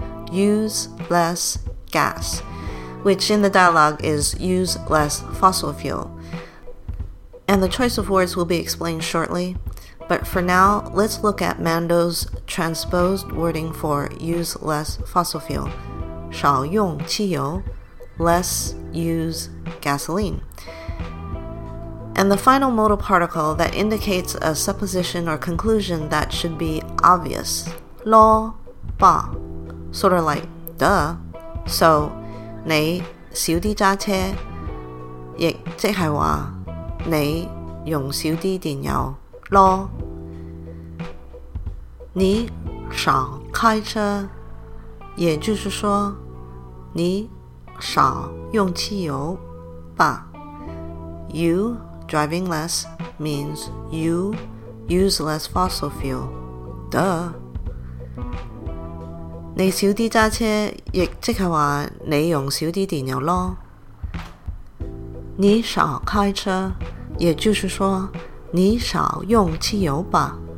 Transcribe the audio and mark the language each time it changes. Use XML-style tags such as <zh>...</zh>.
<en>Use less gas Which in the dialogue is use less fossil fuel And the choice of words will be explained shortlyBut for now, let's look at Mando's transposed wording for use less fossil fuel.</en> <zh>少用汽油</zh> <en>less use gasoline. And the final modal particle that indicates a supposition or conclusion that should be obvious.</en> <zh>咯吧</zh> <en>sort of like, duh. So,</en> <zh>你少啲揸车亦即系话你用少啲电油咯你少开车也就是说你少用汽油吧</zh> <en>You driving less means you use less fossil fuel Duh</en> <zh>你少啲揸车亦即是说你用少啲电油咯你少开车也就是说你少用汽油吧</zh>